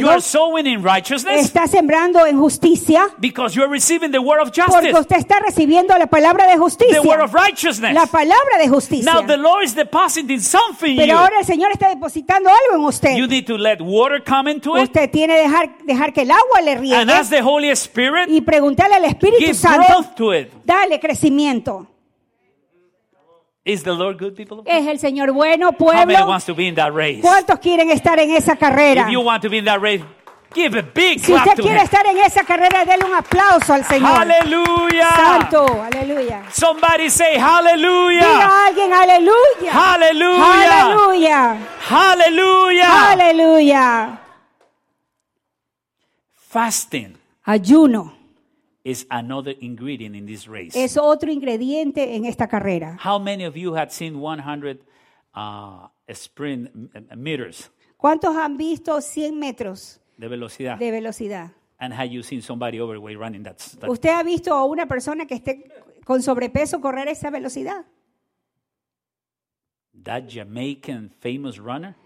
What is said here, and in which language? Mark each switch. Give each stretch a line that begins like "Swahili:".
English: You are sowing in righteousness.
Spanish: Está sembrando en justicia.
English: Because you are receiving the word of justice.
Spanish: Porque usted está recibiendo la palabra de justicia.
English: The word of righteousness.
Spanish: La palabra de justicia.
English: Now the Lord is depositing something in you.
Spanish: Pero ahora el Señor está depositando algo en usted.
English: You need to let water come into it.
Spanish: Usted tiene que dejar que el agua le riegue.
English: And ask the Holy Spirit.
Spanish: Y preguntarle al Espíritu
English: give
Spanish: Santo.
English: Give growth to it.
Spanish: Dale crecimiento.
English: Is the Lord good, people?
Spanish: ¿Es el Señor bueno, pueblo?
English: How many wants to be in that race?
Spanish: ¿Cuántos quieren estar en esa carrera?
English: If you want to be in that race, give a big
Spanish: si
English: clap
Spanish: usted
English: to
Spanish: quiere
English: him.
Spanish: Estar en esa carrera, dele un aplauso al Señor. Aleluya. Santo, aleluya.
English: Somebody say hallelujah.
Spanish: Diga a alguien aleluya. Aleluya. Aleluya. Aleluya. Aleluya.
English: Fasting.
Spanish: Ayuno.
English: Is another ingredient in this race.
Spanish: Es otro ingrediente en esta carrera.
English: How many of you had seen 100 sprint meters?
Spanish: ¿Cuántos han visto 100 metros de velocidad? De velocidad.
English: And have you seen somebody overweight running that?
Spanish: ¿Usted ha visto a una persona que esté con sobrepeso correr esa velocidad?
English: That Jamaican famous runner?